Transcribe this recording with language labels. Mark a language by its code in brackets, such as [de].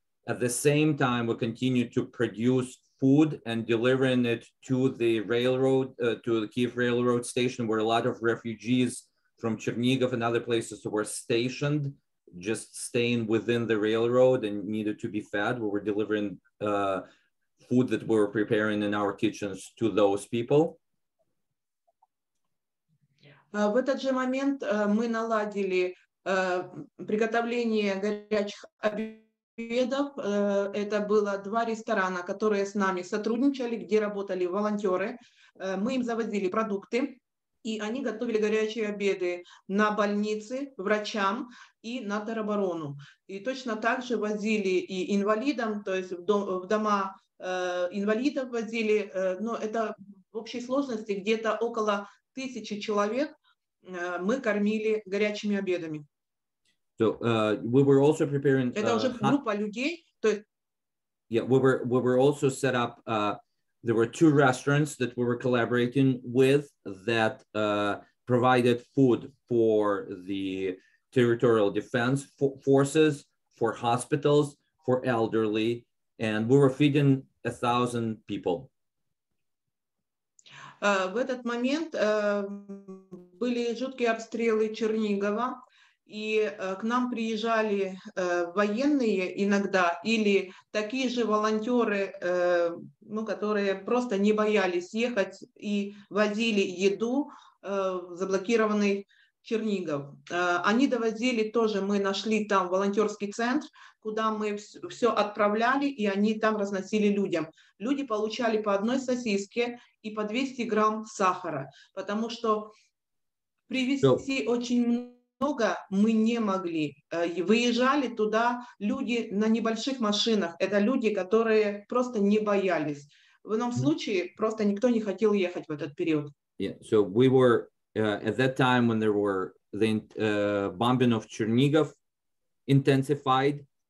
[en] At the same time, we continued to produce food and delivering it to the railroad, to the Kyiv railroad station, where a lot of refugees from Chernigov and other places were stationed, just staying within the railroad and needed to be fed. We were delivering food that we're preparing in our kitchens to those people. [ru] В этот же момент мы наладили приготовление горячих обедов. Это было два ресторана, которые с нами сотрудничали, где работали волонтеры. Мы им завозили продукты, и они готовили горячие обеды на больницы, врачам и на тероборону. И точно так же возили и инвалидам, то есть в дома инвалидов возили. Но это в общей сложности где-то около 1000 человек. Мы кормили горячими обедами. [en] So we were also preparing. [ru] Это уже группа людей, то есть. [en] Yeah, we were also set up. There were two restaurants that we were collaborating with that provided food for the territorial defense forces, for hospitals, for elderly, and we were feeding 1,000 people. [ru] В этот момент были жуткие обстрелы Чернигова, и к нам приезжали военные иногда, или такие же волонтеры, ну, которые просто не боялись ехать и возили еду в заблокированный Чернигов. Они довозили тоже, мы нашли там волонтерский центр, куда мы все отправляли, и они там разносили людям. Люди получали по одной сосиске и по 200 грамм сахара, потому что привезти очень много мы не могли. Выезжали туда люди на небольших машинах. Это люди, которые просто не боялись. В ином случае просто никто не хотел ехать в этот период. [en] Yeah, so we were at that time when there were the bombing of Chernigov intensified.